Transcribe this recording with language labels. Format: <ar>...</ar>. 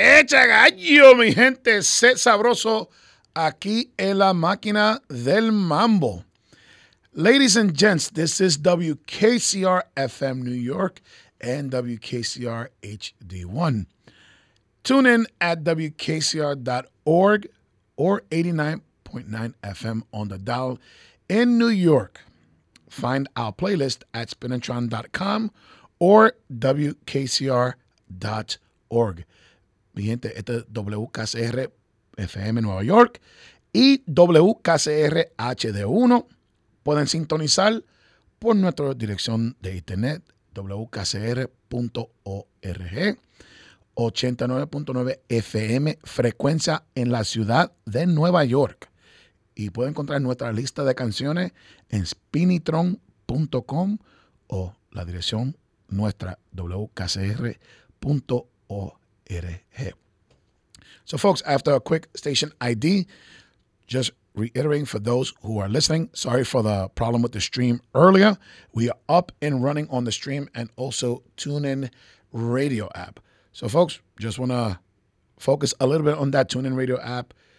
<es>Gallo, mi gente, sé sabroso aquí en la máquina del mambo.</es> <en>Ladies and gents, this is WKCR FM New York and WKCR HD1. Tune in at WKCR.org or 89.9 FM on the dial in New York. Find our playlist at spinatron.com or WKCR.org.</en> <es>Mi gente, este es WKCR FM Nueva York y WKCR HD1. Pueden sintonizar por nuestra dirección de internet WKCR.org. 89.9 FM, frecuencia en la ciudad de Nueva York. Y pueden encontrar nuestra lista de canciones en spinitron.com o la dirección nuestra WKCR.org.</es> <en>So, folks, after a quick station ID, just reiterating for those who are listening, sorry for the problem with the stream earlier. We are up and running on the stream and also TuneIn Radio app. So, folks, just want to focus a little bit on that TuneIn Radio app.</en>